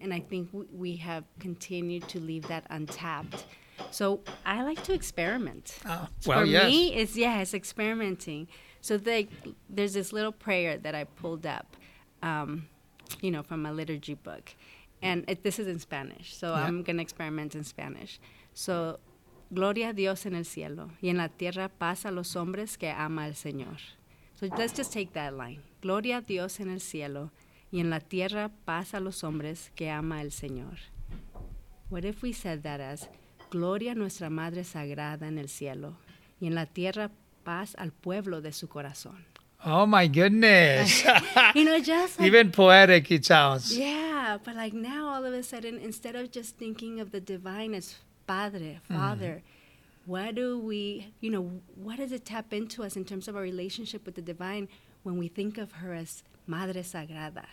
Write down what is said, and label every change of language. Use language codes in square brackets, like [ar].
[en] And I think we have continued to leave that untapped. So I like to experiment. For me, it's experimenting. So there's this little prayer that I pulled up, you know, from a liturgy book. And this is in Spanish, so yeah. I'm going to experiment in Spanish. [es] So, Gloria a Dios en el cielo, y en la tierra paz a los hombres que ama el Señor. [en] So let's just take that line. [es] Gloria a Dios en el cielo, y en la tierra paz a los hombres que ama el Señor. [en] What if we said that as, [es] Gloria a nuestra Madre Sagrada en el cielo, y en la tierra paz al pueblo de su corazón. [en] Oh, my goodness. You know, just like, even poetic, it sounds. Yeah, but like now all of a sudden, instead of just thinking of the divine as Padre, Father, mm. what do we, you know, what does it tap into us in terms of our relationship with the divine when we think of her as Madre Sagrada,